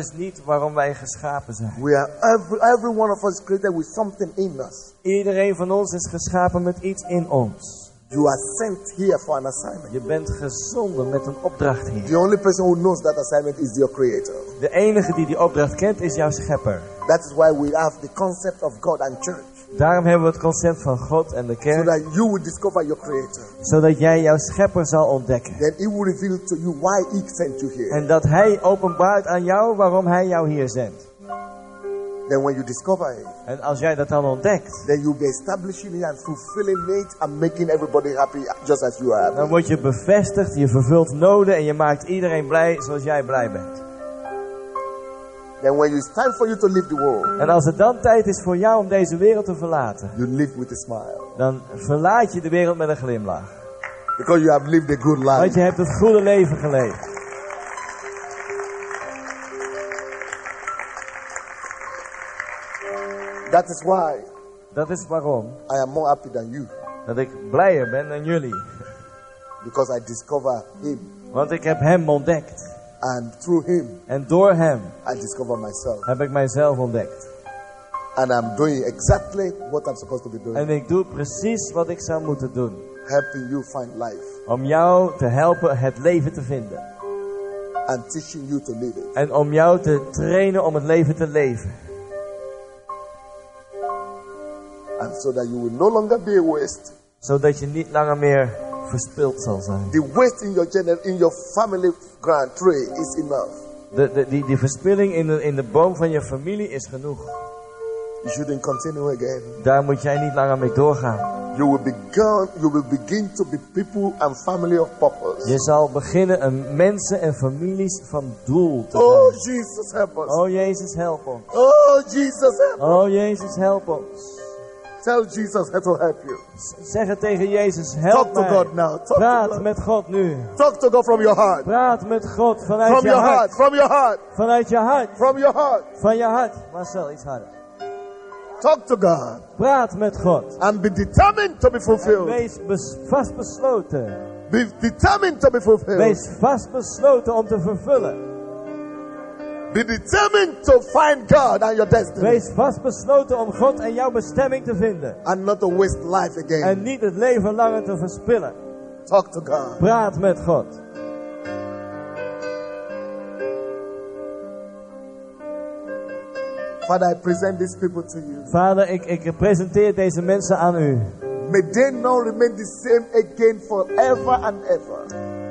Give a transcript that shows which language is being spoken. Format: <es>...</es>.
<nl>dat is niet waarom wij geschapen zijn.</nl> <en>We are every one of us created with something in us.</en> <nl>Iedereen van ons is geschapen met iets in ons.</nl> <en>You are sent here for an assignment.</en> <nl>Je bent gezonden met een opdracht hier.</nl> <en>The only person who knows that assignment is your creator.</en> <nl>De enige die opdracht kent is jouw schepper.</nl> <en>That is why we have the concept of God and church.</en> <nl>Daarom hebben we het concept van God en de kerk.</nl> <en>So that you will discover your creator.</en> <nl>Zodat jij jouw schepper zal ontdekken.</nl> <en>Then he will reveal to you why he sent you here.</en> <nl>En dat hij openbaart aan jou waarom hij jou hier zendt.</nl> <en>Then when you discover it.</en> <nl>En als jij dat dan ontdekt.</nl> <en>Then you'll be establishing it and fulfilling it and making everybody happy just as you are.</en> <nl>Dan word je bevestigd, je vervult noden en je maakt iedereen blij zoals jij blij bent.</nl> <en>Then when it's time for you to leave the world.</en> <nl>En als het dan tijd is voor jou om deze wereld te verlaten.</nl> <en>You live with a smile.</en> <nl>Dan verlaat je de wereld met een glimlach.</nl> <en>Because you have lived a good life.</en> <nl>Want je hebt het goede leven geleefd.</nl> <en>That is why.</en> <nl>Dat is waarom.</nl> <en>I am more happy than you.</en> <nl>Dat ik blijer ben dan jullie.</nl> <en>Because I discover him.</en> <nl>Want ik heb hem ontdekt.</nl> <en>And through him,</en> <nl>en door hem,</nl> <en>I discover myself.</en> <nl>Heb ik mijzelf ontdekt.</nl> <en>And I'm doing exactly what I'm supposed to be doing.</en> <nl>En ik doe precies wat ik zou moeten doen.</nl> <en>Helping you find life.</en> <nl>Om jou te helpen het leven te vinden.</nl> <en>And teaching you to live it.</en> <nl>En om jou te trainen om het leven te leven.</nl> <en>And so that you will no longer be a waste.</en> <nl>Zodat je niet langer meer verspild zal zijn.</nl> <en>The waste in your family grand tree is enough.</en> <nl>De verspilling in de boom van je familie is genoeg.</nl> <en>You shouldn't continue again.</en> <nl>Daar moet jij niet langer mee doorgaan.</nl> <en>You will begin to be people and family of purpose.</en> <nl>Je zal beginnen een mensen en families van doel te zijn.</nl> <en>Oh Jesus help us.</en> <nl>Oh Jezus help ons.</nl> <en>Oh Jesus help us.</en> <nl>Oh Jezus help ons.</nl> <en>Tell Jesus that will help you.</en> <nl>Zeg het tegen Jezus, help</nl> <en>mij. Talk to God now.</en> <nl>Praat met God nu.</nl> <en>Talk to God from your heart.</en> <nl>Praat met God vanuit</nl> <en>from</en> <nl>je hart.</nl> <en>Heart. From your heart.</en> <nl>Vanuit je hart.</nl> <en>From your heart.</en> <nl>Van je hart. Marcel, iets harder.</nl> <en>Talk to God.</en> <nl>Praat met God.</nl> <en>And be determined to be fulfilled.</en> <nl>En wees vast besloten.</nl> <en>Be determined to be fulfilled.</en> <nl>Wees vast besloten om te vervullen.</nl> <en>Be determined to find God and your destiny.</en> <nl>Wees vast besloten om God en jouw bestemming te vinden.</nl> <en>And not to waste life again.</en> <nl>En niet het leven langer te verspillen.</nl> <en>Talk to God.</en> <nl>Praat met God.</nl> <en>Father, I present these people to you.</en> <nl>Vader, ik presenteer deze mensen aan u.</nl> <en>May they now remain the same again forever and ever.</en>